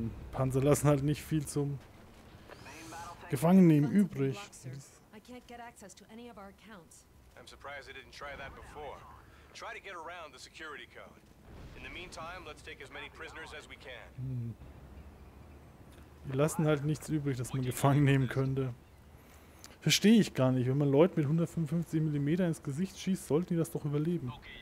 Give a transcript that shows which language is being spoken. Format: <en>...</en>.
<de>Panzer lassen halt nicht viel zum Gefangenen übrig.</de> <en>I'm surprised they didn't try that before. Try to get around the security code. In the meantime, let's take as many prisoners as we can.</en> <de>Die lassen halt nichts übrig, das man gefangen nehmen könnte. Verstehe ich gar nicht. Wenn man Leute mit 155 mm ins Gesicht schießt, sollten die das doch überleben.</de>